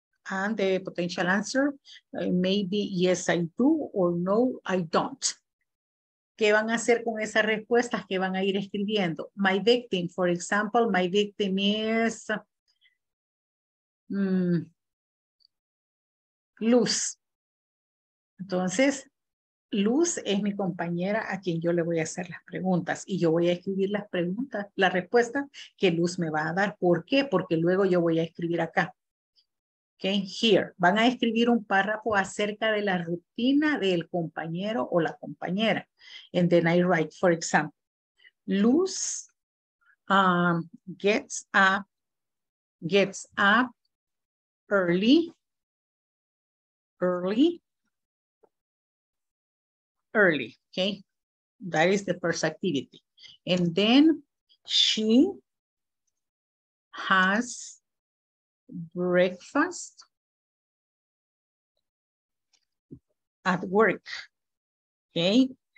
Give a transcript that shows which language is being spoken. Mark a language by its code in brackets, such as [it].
[en] And the potential answer, maybe yes, I do, or no, I don't. [es] ¿Qué van a hacer con esas respuestas que van a ir escribiendo? [en] My victim, for example, my victim is Luz. [es] Entonces, Luz es mi compañera a quien yo le voy a hacer las preguntas y yo voy a escribir las preguntas, la respuesta que Luz me va a dar. ¿Por qué? Porque luego yo voy a escribir acá. Okay, here, van a escribir un párrafo acerca de la rutina del compañero o la compañera. [en] And then I write, for example, Luz gets up early. Okay, that is the first activity. And then she has breakfast at work. Okay.